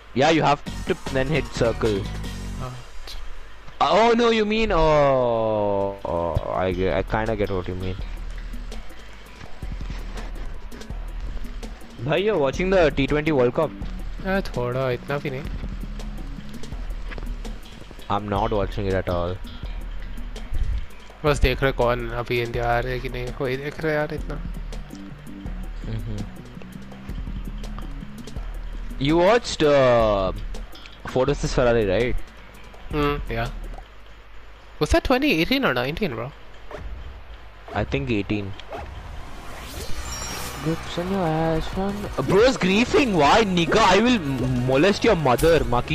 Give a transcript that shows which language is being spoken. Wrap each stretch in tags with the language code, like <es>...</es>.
<en>Yeah, you have to then hit circle. I kinda get what you mean. Bhai, you're watching the T20 World Cup?</en> <hi>Thoda, itna bhi nahi.</hi> <en>I'm not watching it at all.</en> <hi>बस देख रहे कौन अभी India आ रहे कि नहीं कोई देख रहा यार इतना</hi> <en>You watched Fortress Ferrari right? Yeah. Was that 2018 or 19 bro? I think 18. Grips on your ass man. Bro's griefing why nigga I will molest your mother maki</en>